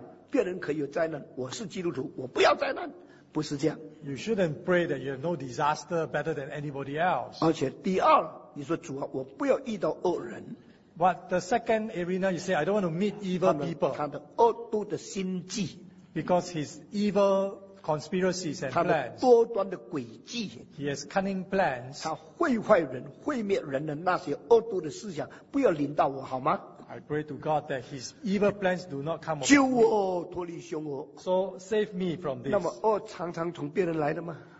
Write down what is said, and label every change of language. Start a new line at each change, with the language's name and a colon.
Chinese: 你不是要有特权跟别人不一样，别人可以有灾难，我是基督徒，我不要灾难。不是这样。
English: You shouldn't pray that you have no disaster better than anybody else.
Chinese: 而且第二。你说主啊，我不要遇到恶人。
English: But the second arena, you say, I don't want to meet evil people.
Chinese: 他的恶毒的心计。
English: Because his evil conspiracies and plans.
Chinese: 他的多端的诡计。
English: He has cunning plans.
Chinese: 他毁坏人、毁灭人的那些恶毒的思想，不要临到我好吗？
English: I pray to God that his evil plans do not come.
Chinese: 救我脱离凶恶。
English: So save me from this.
Chinese: 那么恶常常从别人来的吗？